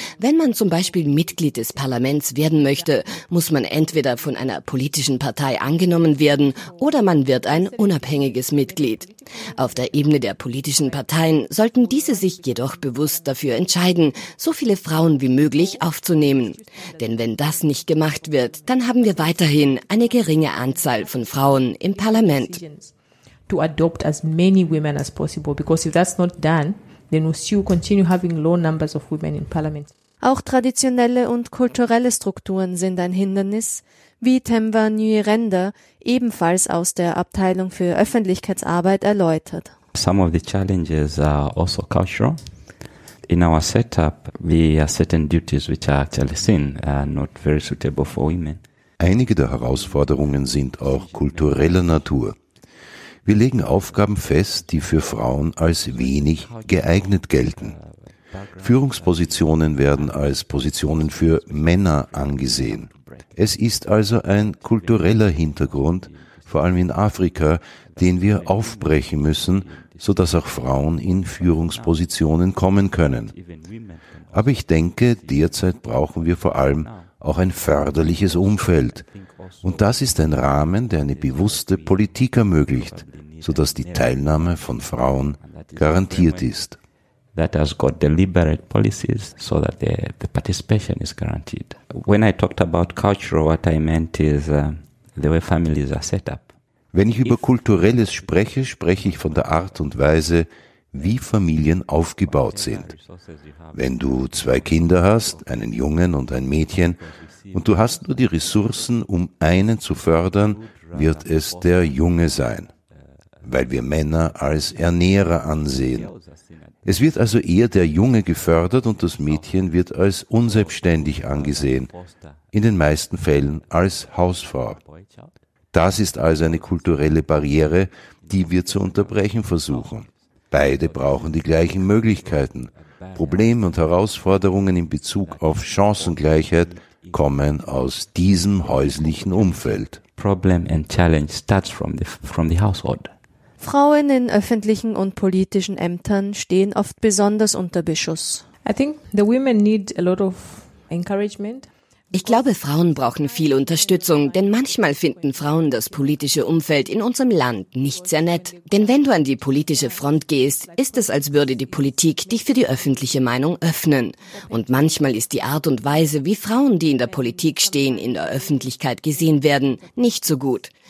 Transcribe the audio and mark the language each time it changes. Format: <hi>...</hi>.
<de>Wenn man zum Beispiel Mitglied des Parlaments werden möchte, muss man entweder von einer politischen Partei angenommen werden oder man wird ein unabhängiges Mitglied. Auf der Ebene der politischen Parteien sollten diese sich jedoch bewusst dafür entscheiden, so viele Frauen wie möglich aufzunehmen. Denn wenn das nicht gemacht wird, dann haben wir weiterhin eine geringe Anzahl von Frauen im Parlament.</de> <en>To adopt as many women as possible, because if that's not done, then we'll still continue having low numbers of women in parliament.</en> <de>Auch traditionelle und kulturelle Strukturen sind ein Hindernis, wie Themba Nyirenda ebenfalls aus der Abteilung für Öffentlichkeitsarbeit erläutert.</de> <en>Some of the challenges are also cultural. In our setup, we have certain duties which are actually seen not very suitable for women.</en> <de>Einige der Herausforderungen sind auch kultureller Natur. Wir legen Aufgaben fest, die für Frauen als wenig geeignet gelten. Führungspositionen werden als Positionen für Männer angesehen. Es ist also ein kultureller Hintergrund, vor allem in Afrika, den wir aufbrechen müssen, sodass auch Frauen in Führungspositionen kommen können. Aber ich denke, derzeit brauchen wir vor allem auch ein förderliches Umfeld. Und das ist ein Rahmen, der eine bewusste Politik ermöglicht, sodass die Teilnahme von Frauen garantiert ist.</de> <en>That has got deliberate policies so that the participation is guaranteed. When I talked about cultural, what I meant is the way families are set up.</en> <de>Wenn ich über Kulturelles spreche, spreche ich von der Art und Weise, wie Familien aufgebaut sind. Wenn du zwei Kinder hast, einen Jungen und ein Mädchen, und du hast nur die Ressourcen, um einen zu fördern, wird es der Junge sein, weil wir Männer als Ernährer ansehen. Es wird also eher der Junge gefördert und das Mädchen wird als unselbstständig angesehen, in den meisten Fällen als Hausfrau. Das ist also eine kulturelle Barriere, die wir zu unterbrechen versuchen. Beide brauchen die gleichen Möglichkeiten. Probleme und Herausforderungen in Bezug auf Chancengleichheit kommen aus diesem häuslichen Umfeld.</de> <en>Problem and challenge starts from the household.</en> <de>Frauen in öffentlichen und politischen Ämtern stehen oft besonders unter Beschuss.</de> <en>I think the women need a lot of encouragement.</en> <de>Ich glaube, Frauen brauchen viel Unterstützung, denn manchmal finden Frauen das politische Umfeld in unserem Land nicht sehr nett. Denn wenn du an die politische Front gehst, ist es, als würde die Politik dich für die öffentliche Meinung öffnen. Und manchmal ist die Art und Weise, wie Frauen, die in der Politik stehen, in der Öffentlichkeit gesehen werden, nicht so gut.</de>